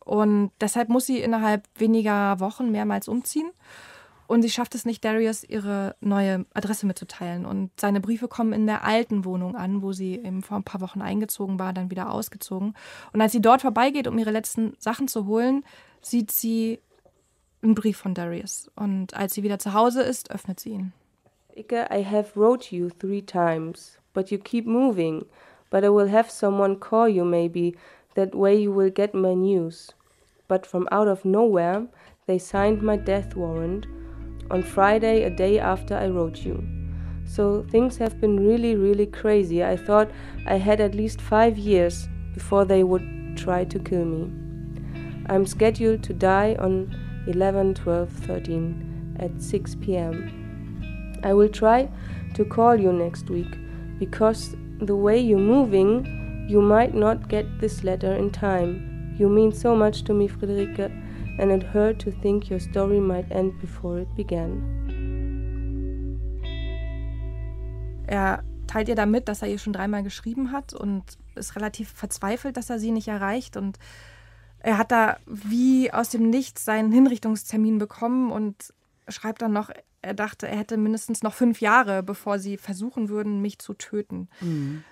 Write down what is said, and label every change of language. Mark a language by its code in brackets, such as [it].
[de] Und deshalb muss sie innerhalb weniger Wochen mehrmals umziehen und sie schafft es nicht, Darius ihre neue Adresse mitzuteilen. Und seine Briefe kommen in der alten Wohnung an, wo sie eben vor ein paar Wochen eingezogen war, dann wieder ausgezogen. Und als sie dort vorbeigeht, um ihre letzten Sachen zu holen, sieht sie einen Brief von Darius. Und als sie wieder zu Hause ist, öffnet sie ihn. [en] Ike, I have wrote you 3 times, but you keep moving. But I will have someone call you maybe, that way you will get my news. But from out of nowhere, they signed my death warrant on Friday, a day after I wrote you. So things have been really, really crazy. I thought I had at least 5 years before they would try to kill me. I'm scheduled to die on 11/12/13 at 6 p.m. I will try to call you next week, because the way you're moving, you might not get this letter in time. You mean so much to me, Friederike, and it hurt to think your story might end before it began. [de] Er teilt ihr damit, dass er ihr schon dreimal geschrieben hat und ist relativ verzweifelt, dass er sie nicht erreicht. Und er hat da wie aus dem Nichts seinen Hinrichtungstermin bekommen und schreibt dann noch, er dachte, er hätte mindestens noch 5 Jahre, bevor sie versuchen würden, mich zu töten. Mhm.